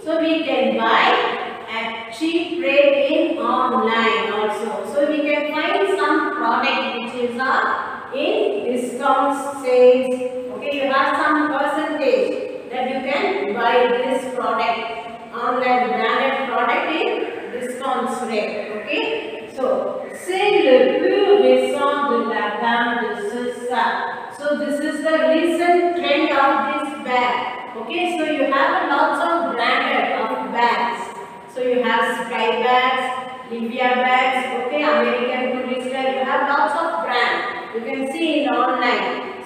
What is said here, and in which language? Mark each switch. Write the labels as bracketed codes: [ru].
[en] So we can buy at cheap rate in online also. So we can find some product which is in discount sales. Okay, you have some percentage that you can buy this product, online branded product in discount rate. Okay, so [fr] c'est le plus récent de la gamme de ce sac. [en] So this is the recent trend of this bag. Okay, so you have lots of branded of bags. So you have Sky bags, Livia bags, okay, American Tourister. You have lots of brand. You can see in online.